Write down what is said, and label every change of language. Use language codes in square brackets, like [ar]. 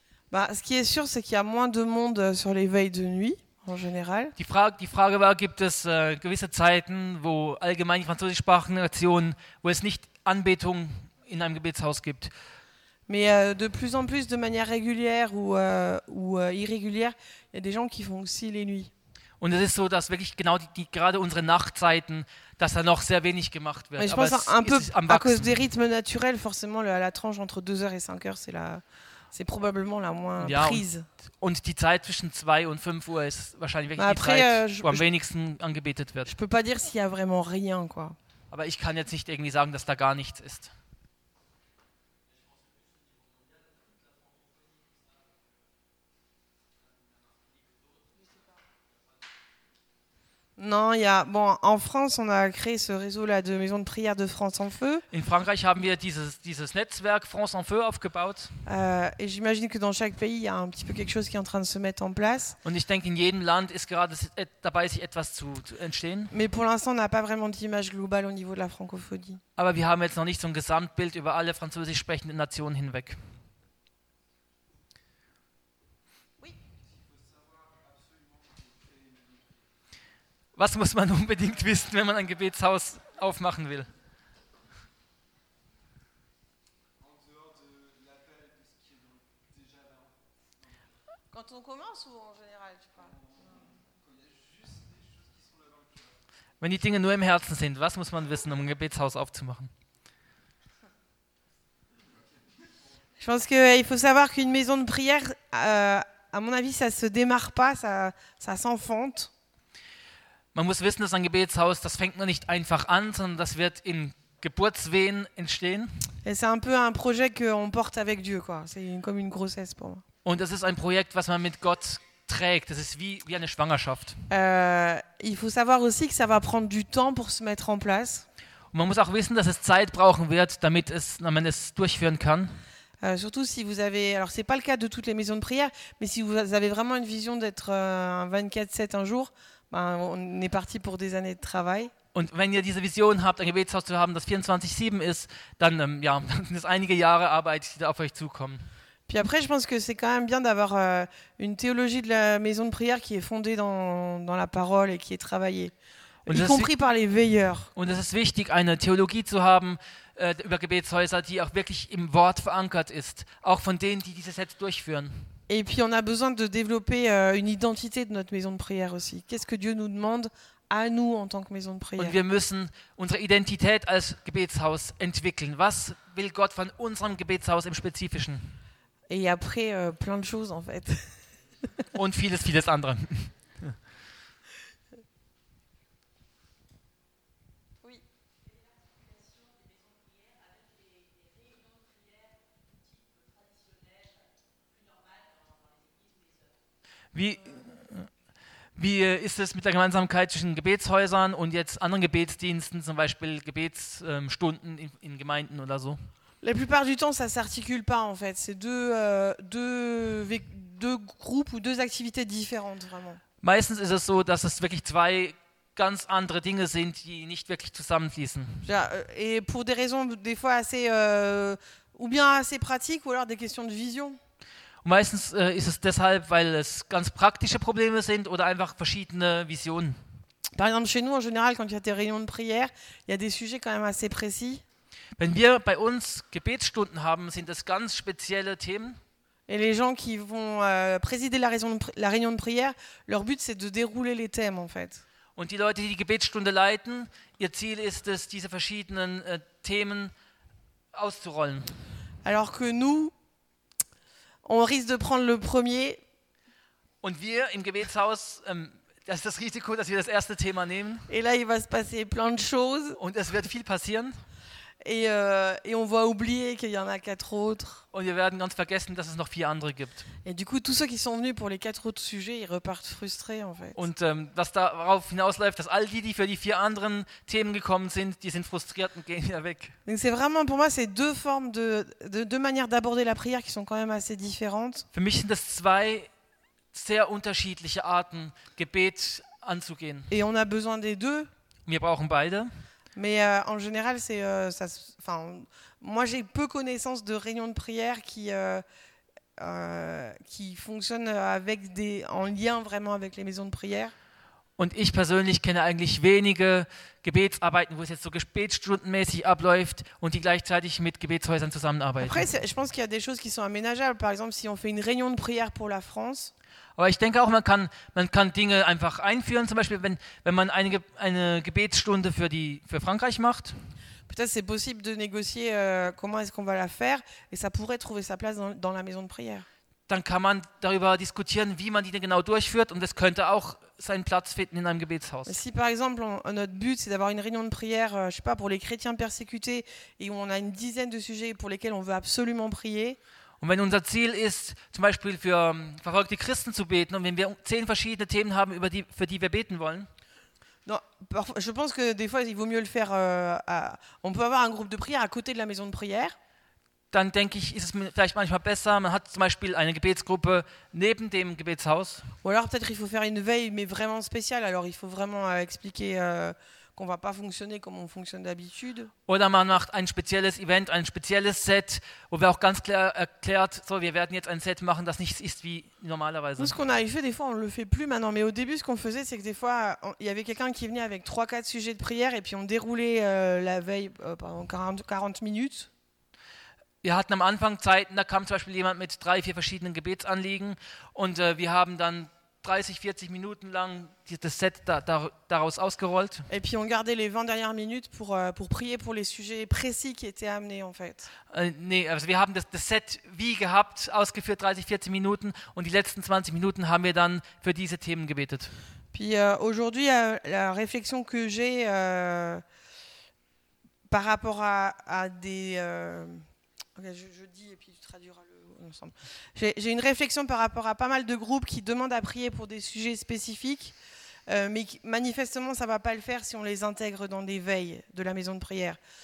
[fr] Bah, ce qui est sûr, c'est qu'il y a moins de monde sur les veilles de nuit, en général. [de] Die Frage war, gibt es gewisse Zeiten, wo allgemein die französischsprachigen Nationen, wo es nicht Anbetung in einem Gebetshaus gibt? [fr] Mais de plus en plus, de manière régulière ou irrégulière, il y a des gens qui font aussi les nuits. [de] Und es ist so, dass wirklich genau die gerade unsere Nachtzeiten, dass da noch sehr wenig gemacht wird. [fr] Mais je pense un peu à cause des rythmes naturels, forcément, la tranche entre 2h et 5h, c'est la... C'est probablement la moins [de] ja, [fr] prise. [de] Und die Zeit zwischen 2 und 5 Uhr ist wahrscheinlich wirklich [fr] après, [de] die Zeit, wo am wenigsten angebetet wird. [fr] Je peux pas dire s'il y a vraiment rien, quoi. [de] Aber ich kann jetzt nicht irgendwie sagen, dass da gar nichts ist. [fr] Non, il y a bon en France, on a créé ce réseau là de maisons de prière de France en feu. [de] In Frankreich haben wir dieses Netzwerk France en feu aufgebaut. [fr] Et j'imagine que dans chaque pays, il y a un petit peu quelque chose qui est en train de se mettre en place. [de] Und ich denke, in jedem Land ist gerade dabei sich etwas zu entstehen. [fr] Mais pour l'instant, on n'a pas vraiment d'image globale au niveau de la francophonie. [de] Aber wir haben jetzt noch nicht so ein Gesamtbild über alle französisch sprechenden Nationen hinweg. Was muss man unbedingt wissen, wenn man ein Gebetshaus aufmachen will? [fr] Quand on commence ou en général, tu parles? [de] Wenn die Dinge nur im Herzen sind, was muss man wissen, um ein Gebetshaus aufzumachen? [fr] Je pense qu'il faut savoir qu'une maison de prière, à mon avis, ça se démarre pas, ça s'enfante. [de] Man muss wissen, dass ein Gebetshaus, das fängt man nicht einfach an, sondern das wird in Geburtswehen entstehen. [fr] Et c'est un peu un projet que on porte avec Dieu, quoi. C'est comme une grossesse pour moi. [de] Und das ist ein Projekt, was man mit Gott trägt. Das ist wie eine Schwangerschaft. [fr] Il faut savoir aussi que ça va prendre du temps pour se mettre en place. [de] Und man muss auch wissen, dass es Zeit brauchen wird, damit man es durchführen kann. [fr] Surtout si vous avez, alors c'est pas le cas de toutes les maisons de prière, mais si vous avez vraiment une vision d'être un 24/7 un jour. On est parti pour des années de travail. [de] Und wenn ihr diese Vision habt, ein Gebetshaus zu haben, das 24/7 ist, dann ja, sind es einige Jahre Arbeit, die da auf euch zukommen. [fr] Puis après, je pense que c'est quand même bien d'avoir une théologie de la maison de prière qui est fondée dans la parole et qui est travaillée, [de] und [fr] y compris par les veilleurs. [de] Und es ist wichtig, eine Theologie zu haben über Gebetshäuser, die auch wirklich im Wort verankert ist, auch von denen, die diese Sätze durchführen. [fr] Et puis on a besoin de développer une identité de notre maison de prière aussi. Qu'est-ce que Dieu nous demande à nous en tant que maison de prière? [de] Und wir müssen unsere Identität als Gebetshaus entwickeln. Was will Gott von unserem Gebetshaus im Spezifischen? [fr] Et après plein de choses en fait. [de] Und vieles, vieles andere. Wie ist es mit der Gemeinsamkeit zwischen Gebetshäusern und jetzt anderen Gebetsdiensten, zum Beispiel Gebetsstunden in Gemeinden oder so? [fr] La plupart du temps, ça s'articule pas en fait. C'est deux groupes ou deux activités différentes vraiment. [de] Meistens ist es so, dass es wirklich zwei ganz andere Dinge sind, die nicht wirklich zusammenfließen. Ja, [fr] et pour des raisons des fois assez ou bien assez pratiques ou alors des questions de vision. [de] Meistens ist es deshalb, weil es ganz praktische Probleme sind oder einfach verschiedene Visionen. [fr] Par exemple, chez nous, en général, quand il y a des réunions de prière, il y a des sujets quand même assez précis. [de] Wenn wir bei uns Gebetsstunden haben, sind es ganz spezielle Themen. [fr] Et les gens qui vont présider la réunion de prière, leur but c'est de dérouler les thèmes en fait. [de] Und die Leute, die die Gebetsstunde leiten, ihr Ziel ist es, diese verschiedenen Themen auszurollen. [fr] Alors que nous, on risque de prendre le premier. [de] Und wir im Gebetshaus, das ist das Risiko, dass wir das erste Thema nehmen. [fr] Et là, il va se passer plein de choses. [de] Und es wird viel passieren. [fr] Et on va oublier qu'il y en a quatre autres. [de] Und wir werden ganz vergessen, dass es noch vier andere gibt. [fr] Et du coup, tous ceux qui sont venus pour les quatre autres sujets, ils repartent frustrés en fait. [de] Und was darauf hinausläuft, dass all die, die für die vier anderen Themen gekommen sind, die sind frustriert und gehen wieder weg. [fr] Donc c'est vraiment pour moi, c'est deux formes de deux manières d'aborder la prière qui sont quand même assez différentes. [de] Für mich sind das zwei sehr unterschiedliche Arten, Gebet anzugehen. [fr] Et on a besoin des deux. [de] Wir brauchen beide. [fr] Mais en général, c'est ça. Enfin, moi, j'ai peu connaissance de réunions de prière qui fonctionnent avec des en lien vraiment avec les maisons de prière. [de] Und ich persönlich kenne eigentlich wenige Gebetsarbeiten, wo es jetzt so gebetsstundenmäßig abläuft und die gleichzeitig mit Gebetshäusern zusammenarbeiten. [fr] Après, je pense qu'il y a des choses qui sont aménageables. Par exemple, si on fait une réunion de prière pour la France. [de] Aber ich denke auch, man kann Dinge einfach einführen, zum Beispiel wenn man eine Gebetsstunde für Frankreich macht. [fr] Peut-être c'est possible de négocier comment est-ce qu'on va la faire et ça pourrait trouver sa place dans la maison de prière. [de] Dann kann man darüber diskutieren, wie man die denn genau durchführt und das könnte auch seinen Platz finden in einem Gebetshaus. [fr] Si par exemple notre but c'est d'avoir une réunion de prière, je sais pas, pour les chrétiens persécutés et où on a une dizaine de sujets pour lesquels on veut absolument prier. [de] Und wenn unser Ziel ist, zum Beispiel für verfolgte Christen zu beten, und wenn wir 10 verschiedene Themen haben, für die wir beten wollen, [fr] non, je pense que des fois il vaut mieux le faire. On peut avoir un groupe de prière à côté de la maison de prière. [de] Dann denke ich, ist es vielleicht manchmal besser, man hat zum Beispiel eine Gebetsgruppe neben dem Gebetshaus. [fr] Ou alors peut-être il faut faire une veille, mais vraiment spéciale. Alors il faut vraiment expliquer. Qu'on va pas fonctionner comme on fonctionne d'habitude. [de] Oder man macht ein spezielles Event, ein spezielles Set, wo wir auch ganz klar erklärt, so wir werden jetzt ein Set machen, das nicht ist wie normalerweise. [fr] Ce qu'on avait fait, des fois on le fait plus maintenant, mais au début ce qu'on faisait, c'est que des fois il y avait quelqu'un qui venait avec 3-4 sujets de prière et puis on déroulait la veille pendant 40 minutes. [de] Wir hatten am Anfang Zeiten, da kam zum Beispiel jemand mit 3-4 verschiedenen Gebetsanliegen und wir haben dann 30-40 Minuten lang das Set daraus ausgerollt. [fr] Et puis on gardait les 20 dernières minutes pour prier pour les sujets précis qui étaient amenés en fait. [de] Also wir haben das Set wie gehabt ausgeführt 30-40 Minuten und die letzten 20 Minuten haben wir dann für diese Themen gebetet. [fr] Puis aujourd'hui la réflexion que j'ai par rapport à des okay, je dis et puis tu traduiras le ensemble. J'ai une réflexion par rapport à pas mal de groupes qui demandent à prier pour des sujets spécifiques, mais manifestement ça va pas le faire si on les intègre dans des veilles de la maison de prière.